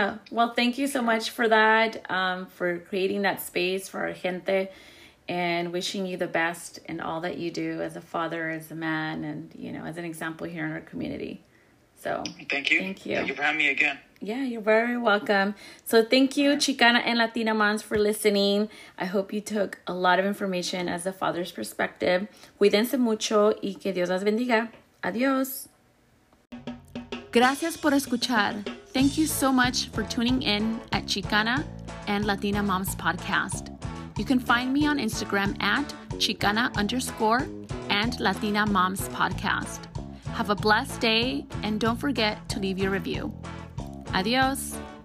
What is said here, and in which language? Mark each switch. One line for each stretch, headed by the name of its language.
English: Well, thank you so much for that, for creating that space for our gente, and wishing you the best in all that you do as a father, as a man, and, you know, as an example here in our community. So thank you. Thank you for having me again. Yeah, you're very welcome. So thank you, Chicana and Latina moms, for listening. I hope you took a lot of information as a father's perspective.
Spanish: Cuídense mucho y que Dios las bendiga. Adiós. Gracias por escuchar.
English: Thank you so much for tuning in at Chicana and Latina Moms Podcast. You can find me on Instagram at Chicana_and Latina Moms Podcast. Have a blessed day, and don't forget to leave your review. Adios.